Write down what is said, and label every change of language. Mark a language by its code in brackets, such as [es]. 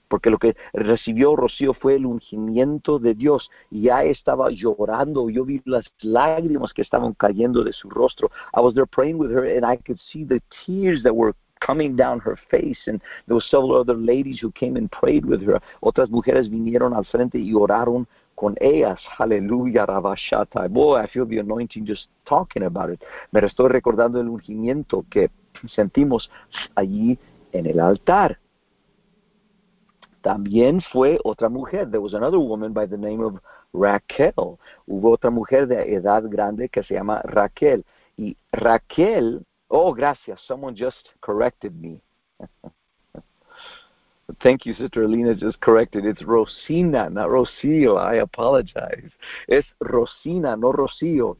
[es] Porque lo que recibió Rocío fue el ungimiento de Dios. Ya estaba llorando. Yo vi las lágrimas que estaban cayendo de su rostro. [en] I was there praying with her, and I could see the tears that were coming down her face. And there were several other ladies who came and prayed with her. [es] Otras mujeres vinieron al frente y oraron con ellas. Hallelujah, Rabashatai. [en] Boy, I feel the anointing just talking about it. [es] Me estoy recordando el ungimiento que sentimos allí en el altar. También fue otra mujer. [en] There was another woman by the name of Raquel. [es] Hubo otra mujer de edad grande que se llama Raquel. Y Raquel, oh, gracias, [en] someone just corrected me. Thank you, Sister Alina, just corrected. It's Rosina, not Rocío. I apologize. [es] Es Rosina, no Rocío.